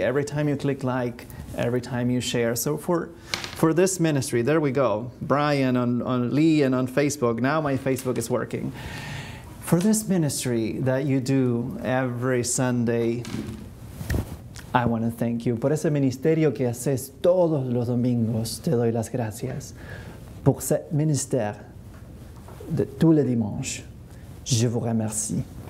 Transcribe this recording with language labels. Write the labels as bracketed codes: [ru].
[en] Every time you click like, every time you share. So for this ministry, there we go. Brian on Lee and on Facebook. Now my Facebook is working. For this ministry that you do every Sunday, I want to thank you. [es] Por ese ministerio que haces todos los domingos, te doy las gracias. [fr] Pour ce ministère de tous les dimanches, je vous remercie.